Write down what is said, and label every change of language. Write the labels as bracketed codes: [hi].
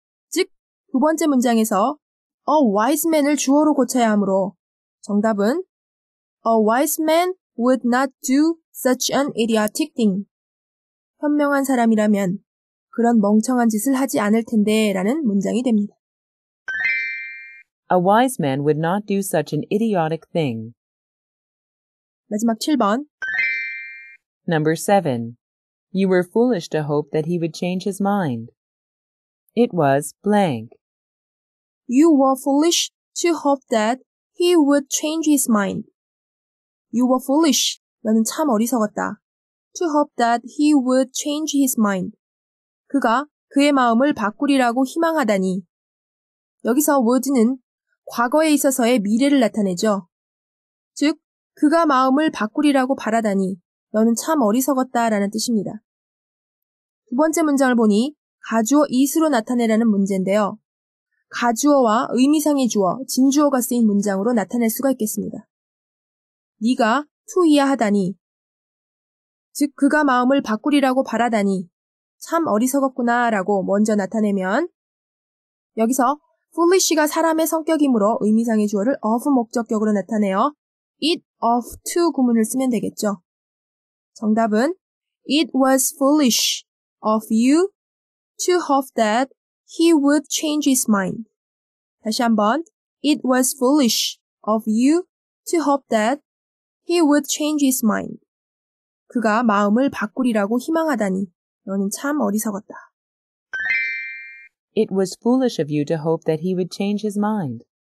[ko] 즉, 두 번째 문장에서 [en] a wise man을 [ko] 주어로 고쳐야 하므로 정답은 [en] a wise man would not do such an idiotic thing. [ko] 현명한 사람이라면 그런 멍청한 짓을 하지 않을 텐데 라는 문장이 됩니다. [en] A wise man would not do such an idiotic thing. [ko] 마지막 7번 [en] Number 7. You were foolish to hope that he would change his mind. It was blank. You were foolish to hope that he would change his mind. You were foolish. [ko] 너는 참 어리석었다. [en] To hope that he would change his mind. [ko] 그가 그의 마음을 바꾸리라고 희망하다니. 여기서 would는 과거에 있어서의 미래를 나타내죠. 즉, 그가 마음을 바꾸리라고 바라다니 너는 참 어리석었다 라는 뜻입니다. 두 번째 문장을 보니 가주어 is로 나타내라는 문제인데요. 가주어와 의미상의 주어, 진주어가 쓰인 문장으로 나타낼 수가 있겠습니다. 네가 to이야 하다니, 즉 그가 마음을 바꾸리라고 바라다니 참 어리석었구나 라고 먼저 나타내면 여기서 foolish가 사람의 성격이므로 의미상의 주어를 of 목적격으로 나타내어 it of to 구문을 쓰면 되겠죠. [en] 정답은 It was foolish of you to hope that he would change his mind. [ko] 다시 한번 [en] It was foolish of you to hope that he would change his mind. [ko] 그가 마음을 바꾸리라고 희망하다니 너는 참 어리석었다. [en] It was foolish of you to hope that he would change his mind.